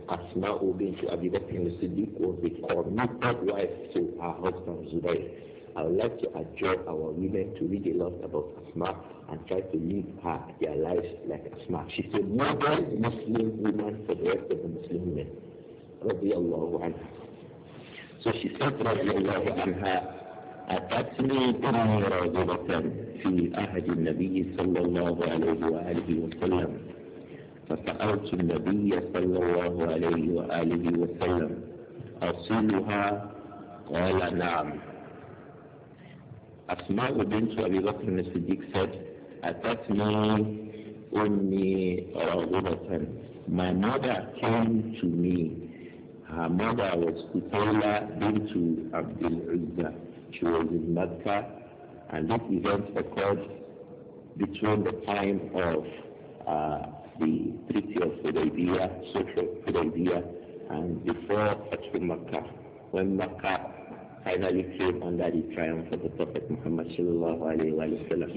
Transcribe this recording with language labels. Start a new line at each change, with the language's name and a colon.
English: Asma'u bint Abi Bakr al-Siddiq was a committed wife to her husband Zubayr. I would like to adjure our women to read a lot about Asma and try to live her, their lives like Asma. She's a modern Muslim woman for the rest of the Muslim women. Radiallahu anha. So she said,
Arabic: radiallahu anha, أتتني تمرة في عهد النبي صلى الله عليه وآله وسلم فسألت النبي صلى الله عليه وآله وسلم أصلها؟ قال نعم. أسماء بنت أبي بكر الصديق said أتتني أمي راغبة.
English: My mother came to me. Her mother was Utaila bint Abd al-Uzza. She was in Mecca, and this event occurred between the time of the Treaty of Hudaybiyah, Sulh of Hudaybiyah, and before Fathu Mecca, when Mecca finally came under the triumph of the Prophet Muhammad sallallahu alaihi wasallam.